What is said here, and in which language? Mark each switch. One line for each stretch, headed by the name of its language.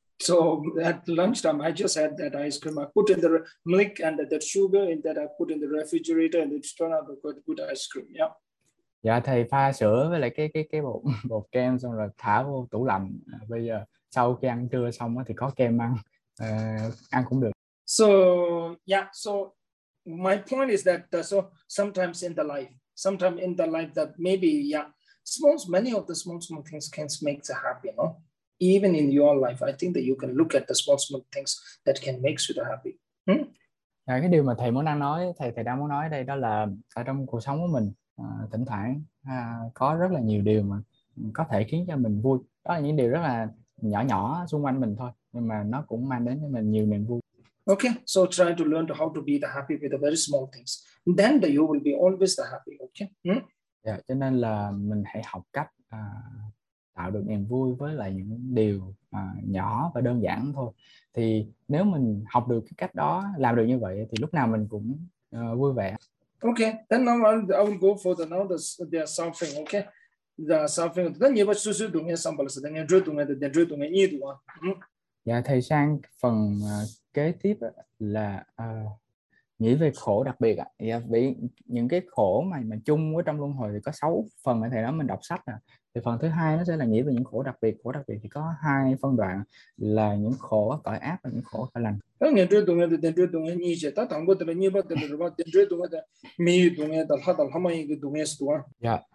English: So at lunchtime, I just had that ice cream. I put in the milk and the sugar in that. I put in the refrigerator, and it turned out a quite good ice cream. Yeah.
Vietnamese: Yeah, thầy pha sữa với lại cái bột kem xong rồi thả vô tủ lạnh. Bây giờ sau khi ăn trưa xong thì có kem ăn, ăn cũng được.
English: So yeah. So my point is that so sometimes in the life, that maybe yeah, many of the small things can make us happy, no? Even in your life, I think that you can look at the small, small things that can make you happy. Hmm?
Vietnamese: Cái điều mà thầy muốn đang nói, thầy đang muốn nói đây đó là ở trong cuộc sống của mình, thỉnh thoảng có rất là nhiều điều mà có thể khiến cho mình vui. Đó là những điều rất là nhỏ nhỏ xung quanh mình thôi, nhưng mà nó cũng mang đến cho mình nhiều niềm vui.
English: Okay, so try to learn how to be the happy with the very small things. Then the you will be always the happy. Okay. Hmm?
Vietnamese: Yeah, cho nên là mình hãy học cách tạo được niềm vui với lại những điều nhỏ và đơn giản thôi. Thì nếu mình học được cái cách đó, làm được như vậy thì lúc nào mình cũng vui vẻ.
English: Okay, then now I will go for the now the suffering. Okay, the suffering. Then you must choose to get some balance. Then you drew to get the drew to get you to one.
Vietnamese: Dạ, thầy sang phần kế tiếp là nghĩ về khổ đặc biệt ạ. Dạ, vì những cái khổ mà chung ở trong luân hồi thì có 6 phần thầy nói mình đọc sách ạ. Thì phần thứ hai nó sẽ là nghĩ về những khổ đặc biệt. Khổ đặc biệt thì có 2 phân đoạn là những khổ cõi ác và những khổ cõi lành.